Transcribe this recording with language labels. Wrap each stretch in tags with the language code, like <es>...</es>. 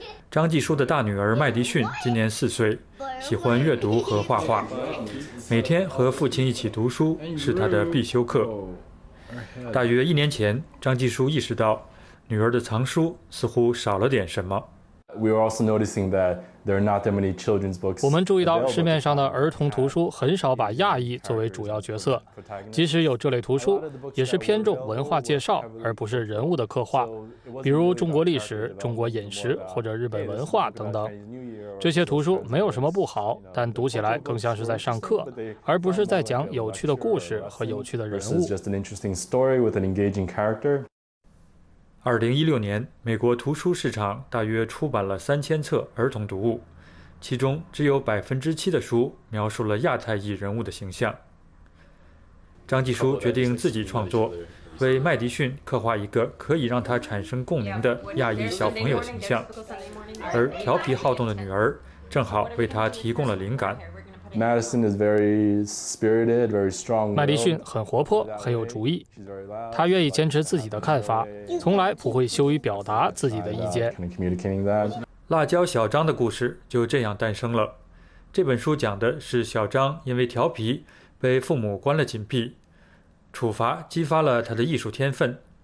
<zh>张继书的大女儿麦迪逊今年四岁，喜欢阅读和画画，每天和父亲一起读书是她的必修课。大约一年前，张继书意识到女儿的藏书似乎少了点什么。</zh> <en>We are also noticing that there are not that many children's books.</en> <zh>我们注意到市面上的儿童图书很少把亚裔作为主要角色，即使有这类图书，也是偏重文化介绍而不是人物的刻画，比如中国历史、中国饮食或者日本文化等等。这些图书没有什么不好，但读起来更像是在上课，而不是在讲有趣的故事和有趣的人物。</zh> <en>Just an interesting story with an engaging character.</en> <zh>2016年，美国图书市场大约出版了3000册儿童读物，其中只有7%的书描述了亚太裔人物的形象。张继书决定自己创作，为麦迪逊刻画一个可以让他产生共鸣的亚裔小朋友形象，而调皮好动的女儿正好为他提供了灵感。</zh> <en>Madison is very spirited, very strong.</en> <zh>麦迪逊很活泼，很有主意。他愿意坚持自己的看法，从来不会羞于表达自己的意见。辣椒小张的故事就这样诞生了。这本书讲的是小张因为调皮被父母关了禁闭，处罚激发了他的艺术天分。</zh>